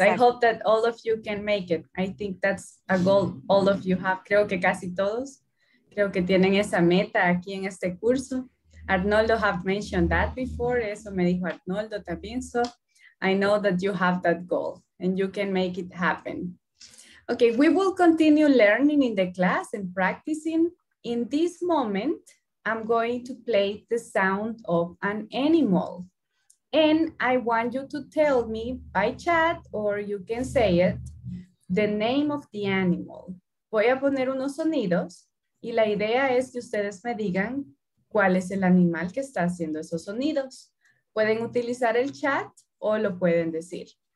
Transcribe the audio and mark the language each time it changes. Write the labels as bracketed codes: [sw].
[en] I hope that all of you can make it. I think that's a goal all of you have. [es] Creo que casi todos. Creo que tienen esa meta aquí en este curso. [en] Arnoldo have mentioned that before. [es] Eso me dijo Arnoldo también. [en] So I know that you have that goal and you can make it happen. Okay, we will continue learning in the class and practicing. In this moment, I'm going to play the sound of an animal. And I want you to tell me by chat, or you can say it, the name of the animal. [es] Voy a poner unos sonidos y la idea es que ustedes me digan cuál es el animal que está haciendo esos sonidos. Pueden utilizar el chat o lo pueden decir.